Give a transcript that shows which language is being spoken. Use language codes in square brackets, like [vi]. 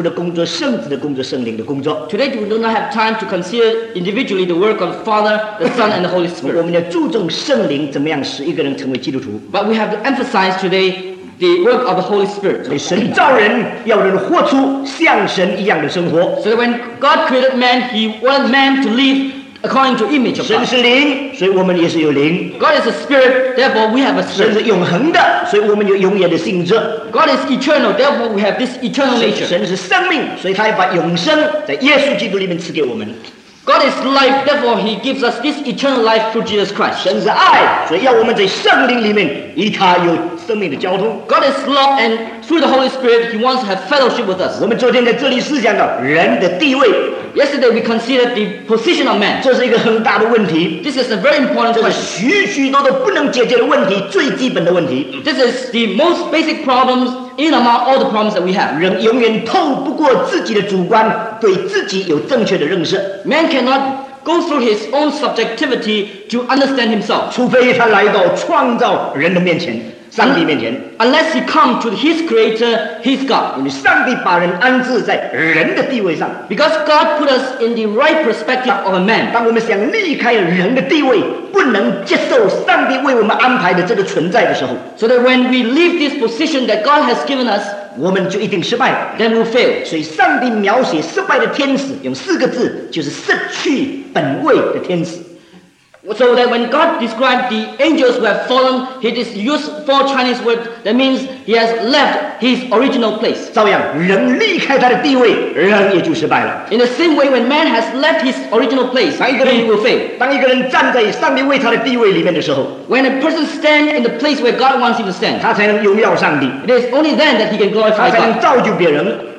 [zh] 那我们今天呢,没有时间好好思想圣父的工作,圣子的工作,圣灵的工作。 [en] Today we do not have time to consider individually the work of the Father, the Son, and the Holy Spirit. [zh] 我们要注重圣灵怎么样使一个人成为基督徒。 [en] But we have to emphasize today the work of the Holy Spirit. [zh] 神造人, 要人活出像神一样的生活。 [en] So that when God created man, he wanted man to live according to image of God. [zh] 神是灵, 所以我们也是有灵。 [en] God is a spirit, therefore we have a spirit. [zh] 神是永恒的, 所以我们有永远的性质。 [en] God is eternal, therefore we have this eternal nature. [zh] 神是生命, 所以他要把永生在耶稣基督里面赐给我们。 [en] God is life, therefore he gives us this eternal life through Jesus Christ. [zh] 神是爱, 所以要我们在圣灵里面与他有 [en] God is love, and through the Holy Spirit, he wants to have fellowship with us. [zh] 我们昨天在这里思想到人的地位。 [en] Yesterday, we considered the position of man. [zh] 这是一个很大的问题。 [en] This is a very important question. [zh] 这是许许多多不能解决的问题, 最基本的问题。 [en] This is the most basic problems in among all the problems that we have. [zh] 人永远透不过自己的主观,对自己有正确的认识。 [en] Man cannot go through his own subjectivity to understand himself. [zh] 除非他来到创造人的面前。上帝面前, [en] unless he come to his creator, his God. [zh] 上帝把人安置在人的地位上, [en] because God put us in the right perspective of a man. [zh] 当我们想离开人的地位, 不能接受上帝为我们安排的这个存在的时候, [en] so that when we leave this position that God has given us, [zh] 我们就一定失败了, [en] then we'll fail. [zh] 所以上帝描写失败的天使, 用四个字, 就是失去本位的天使。 [en] So that when God described the angels who have fallen, he just used four Chinese words. That means he has left his original place. [zh] 照样, [en] in the same way, when man has left his original place, [zh] 当一个人, [en] he will fail. When a person stands in the place where God wants him to stand, it is only then that he can glorify God.